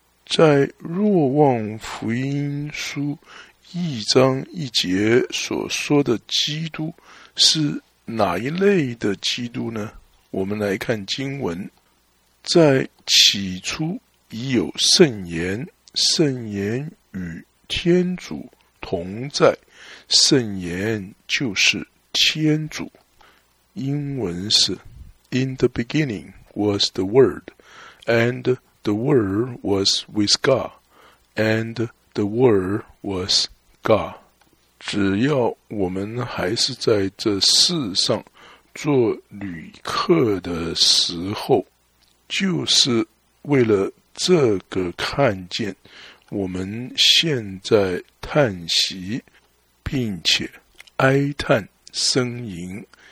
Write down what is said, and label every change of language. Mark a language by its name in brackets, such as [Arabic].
[Chinese] 在《若望福音书》一章一节所说的基督是哪一类的基督呢？我们来看经文。在起初已有圣言，圣言与天主同在，圣言就是天主。英文是 [English] In the beginning was the Word, and the Word was with God, and the Word was God。 [Chinese] 只要我们还是在这世上做旅客的时候，就是为了这个看见，我们现在叹息，并且哀叹呻吟。